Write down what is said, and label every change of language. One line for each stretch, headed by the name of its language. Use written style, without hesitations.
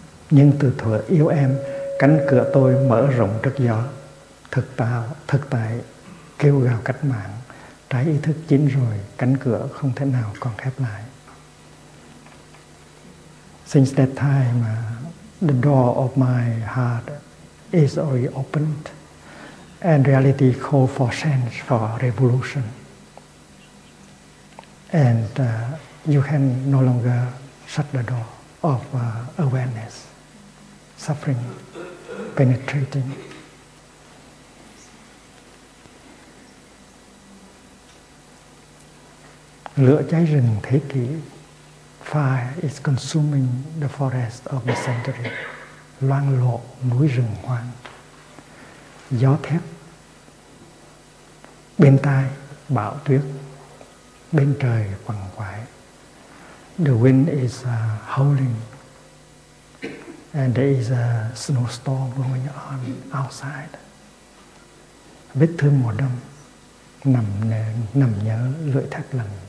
Vietnamese: Nhưng từ thuở yêu em, cánh cửa tôi mở rộng trước gió. Thực tại kêu gào cách mạng. Trái ý thức chín rồi, cánh cửa không thể nào còn khép lại.
English: Since that time, the door of my heart is already opened. And reality calls for change, for revolution. And you can no longer shut the door of awareness, suffering, penetrating.
Vietnamese: Lửa cháy rừng thế kỷ.
English: Fire is consuming the forest of the century.
Vietnamese: Loang lộ núi rừng hoang. Gió thép bên tai, bão tuyết bên trời quằn quại.
English: The wind is howling, and there is a snowstorm going on outside.
Vietnamese: Vết thương mùa đông nằm nhớ lưỡi thắt lần.